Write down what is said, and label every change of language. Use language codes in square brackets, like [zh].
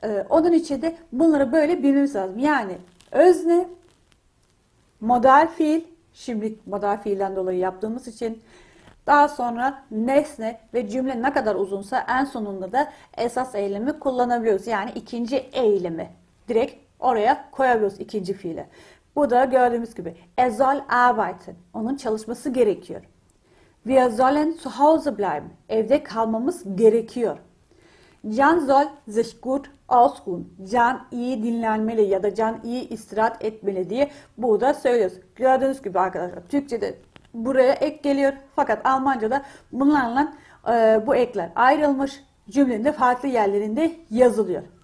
[tr] Onun için de bunları böyle bilmemiz lazım. Yani özne, modal fiil, şimdi modal fiilden dolayı yaptığımız için Daha sonra nesne ve cümle ne kadar uzunsa en sonunda da esas eylemi kullanabiliyoruz. Yani ikinci eylemi direkt oraya koyabiliyoruz ikinci fiile. Bu da gördüğümüz gibi [de] er soll arbeiten. [tr] Onun çalışması gerekiyor. [de] Wir sollen zu Hause bleiben. [tr] Evde kalmamız gerekiyor. [de] Can soll sich gut ausruhen. [tr] Can iyi dinlenmeli ya da can iyi istirahat etmeli diye burada söylüyoruz. Gördüğünüz gibi arkadaşlar Türkçe'de buraya ek geliyor. Fakat Almanca'da bunlarla bu ekler ayrılmış cümlenin de farklı yerlerinde yazılıyor.